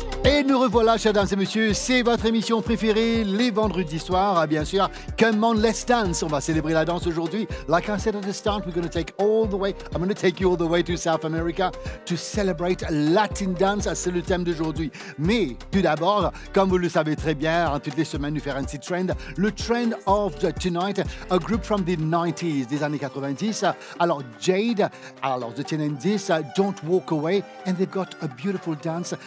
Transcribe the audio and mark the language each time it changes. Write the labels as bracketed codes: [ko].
[fr] Et nous revoilà, chers dames et messieurs, c'est votre émission préférée, les vendredis soirs, bien sûr, Come On, Let's Dance. On va célébrer la danse aujourd'hui. [en] Like I said at the start, we're going to take all the way, I'm going to take you all the way to South America to celebrate Latin dance. [fr] C'est le thème d'aujourd'hui. Mais tout d'abord, comme vous le savez très bien, toutes les semaines, nous faisons un petit trend. [en] Le trend of the tonight, a group from the 90s, [fr] des années 90. [en] Alors, Jade, alors, The Ten and This, Don't Walk Away, and they've got a beautiful dance.